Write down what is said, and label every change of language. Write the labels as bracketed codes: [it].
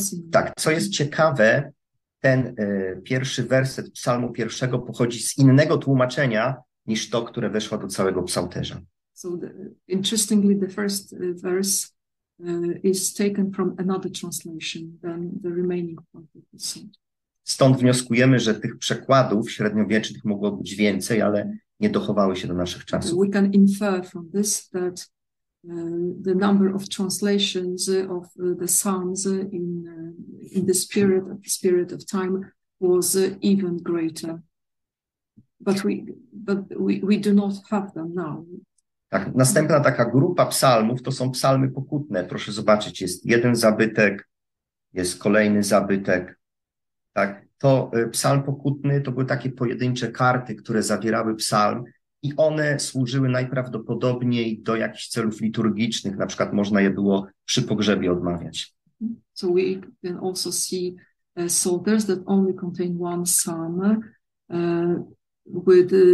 [pl] Tak, co jest ciekawe, ten pierwszy werset psalmu pierwszego pochodzi z innego tłumaczenia niż to, które weszło do całego psalterza. [en] So interestingly, the first verse is taken from another translation than the remaining part of the song. [pl] Stąd wnioskujemy, że tych przekładów średniowiecznych mogło być więcej, ale nie dochowały się do naszych czasów. [en] We can infer from this that the number of translations of the Psalms in the spirit of time was even greater. But we do not have them now. [pl] Tak, następna taka grupa psalmów to są psalmy pokutne. Proszę zobaczyć, jest jeden zabytek, jest kolejny zabytek. Tak, to psalm pokutny to były takie pojedyncze karty, które zawierały psalm. I one służyły najprawdopodobniej do jakichś celów liturgicznych, na przykład można je było przy pogrzebie odmawiać. [en] So we can also see psalters that only contain one psalm with